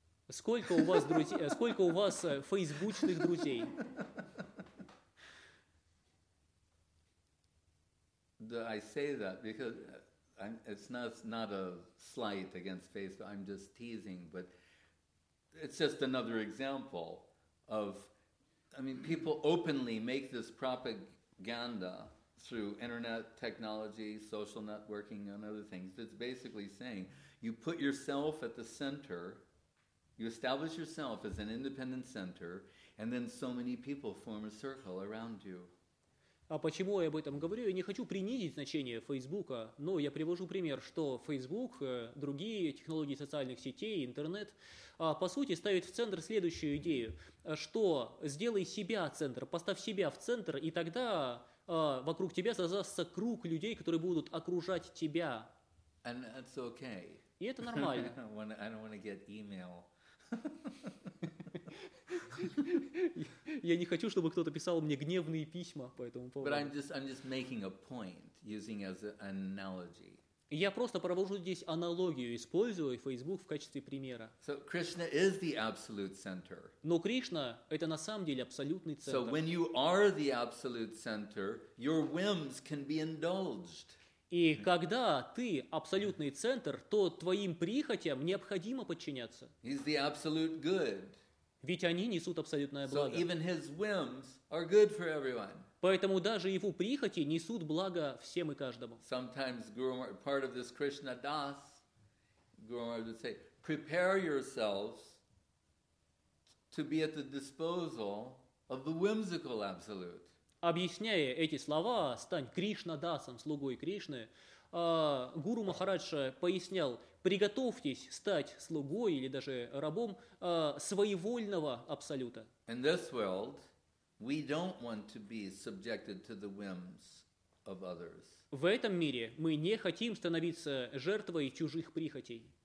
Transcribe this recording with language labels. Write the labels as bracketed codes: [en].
[ru] Сколько у вас друзей? Сколько у вас фейсбучных друзей? [en] I say that because it's not a slight against Facebook. I'm just teasing, but it's just another example of, I mean, people openly make this propaganda through internet technology, social networking, and other things. It's basically saying you put yourself at the center, you establish yourself as an independent center, and then so many people form a circle around you. [ru] А почему я об этом говорю? Я не хочу принизить значение Фейсбука, но я привожу пример, что Фейсбук, другие технологии социальных сетей, интернет, по сути, ставят в центр следующую идею, что сделай себя центр, поставь себя в центр, и тогда вокруг тебя создастся круг людей, которые будут окружать тебя. [en] And that's okay. [ru] И это нормально. [en] I don't want to get email. [ru] Я не хочу, чтобы кто-то писал мне гневные письма по этому поводу. [en] But I'm just making a point, using as an analogy. [ru] Я просто провожу здесь аналогию, используя Facebook в качестве примера. [en] So Krishna is the absolute center. [ru] Но Кришна — это на самом деле абсолютный центр. [en] So when you are the absolute center, your whims can be indulged. [ru] И когда ты абсолютный центр, то твоим прихотям необходимо подчиняться. [en] He's the absolute good. [ru] Ведь они несут абсолютное благо. [en] So even his whims are good for everyone. [ru] Поэтому даже его прихоти несут благо всем и каждому. [en] Sometimes part of this Krishna das, Guru Maharaj would say, prepare yourselves to be at the disposal of the whimsical absolute. [ru] Объясняя эти слова, стань Кришна дасом, слугой Кришны, Гуру Махарадж пояснял, приготовьтесь стать слугой или даже рабом своевольного абсолюта. [en] In this world, we don't want to be subjected to the whims of others. [ru] В этом мире мы не хотим становиться жертвой чужих прихотей.